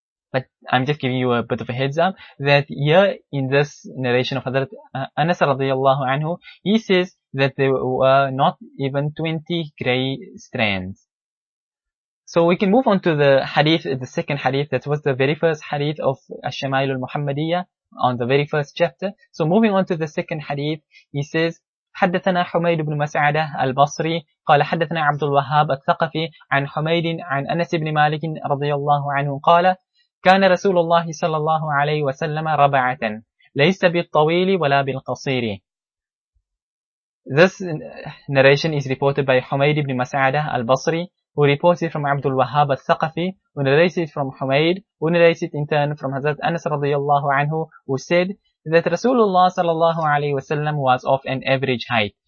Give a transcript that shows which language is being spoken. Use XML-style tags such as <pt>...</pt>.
<en>But I'm just giving you a bit of a heads up that here in this narration of Hazrat Anas radiallahu anhu, he says that there were not even 20 gray strands. So we can move on to the hadith, the second hadith, that was the very first hadith of Al-Shamail al-Muhammadiyya on the very first chapter. So moving on to the second hadith, he says,</en> <ar>حدثنا حميد بن مسعدة البصري قال حدثنا عبد الوهاب الثقفي عن حميد عن أنس بن مالك رضي الله عنه قال كان رسول الله صلى الله عليه وسلم ربعة ليس بالطويل ولا بالقصير.</ar> <en>This narration is reported by حميد بن مسعدة البصري, who reports it from Abdul Wahhab al-Thaqafi, who narrates it from Humaid, who narrates it in turn from Hazrat Anas radiallahu anhu, who said that Rasulullah sallallahu alayhi wa sallam was of an average height.</en>